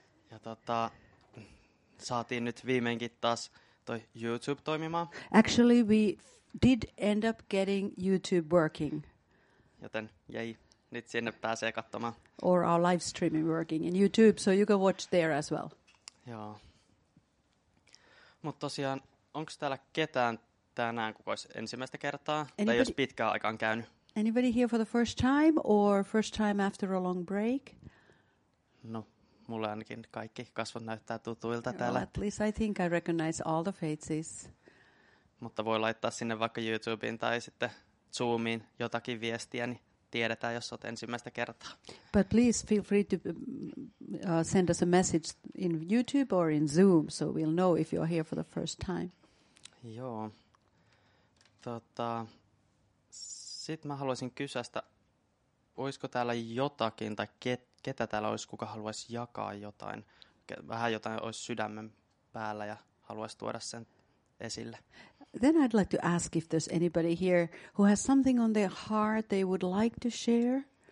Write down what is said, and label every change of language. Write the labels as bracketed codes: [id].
[fi] Ja saatiin nyt viimeinkin taas toi YouTube toimimaan. [en] Actually, we did end up getting YouTube working. [fi] Joten jäi, nyt sinne pääsee katsomaan. [en] Or our live streaming working in YouTube, so you can watch there as well. [fi] Joo. Mutta tosiaan, onko täällä ketään tänään, kuka olisi ensimmäistä kertaa? Tai jos pitkään aikaan käynyt? [en] Anybody here for the first time or first time after a long break? [fi] No, mulle ainakin kaikki kasvot näyttää tutuilta täällä. [en] Well, at least I think I recognize all the faces. [fi] Mutta voi laittaa sinne vaikka YouTubeen tai sitten Zoomiin jotakin viestiä, niin tiedetään, jos olet ensimmäistä kertaa. [en] But please feel free to send us a message in YouTube or in Zoom, so we'll know if you're here for the first time. [fi] Joo. Sitten mä haluaisin kysästä, olisiko täällä jotakin tai ketä täällä olisi, kuka haluaisi jakaa jotain. Vähän jotain olisi sydämen päällä ja haluaisi tuoda sen esille. [en] Then I'd like to ask if there's anybody here who has something on their heart they would like to share.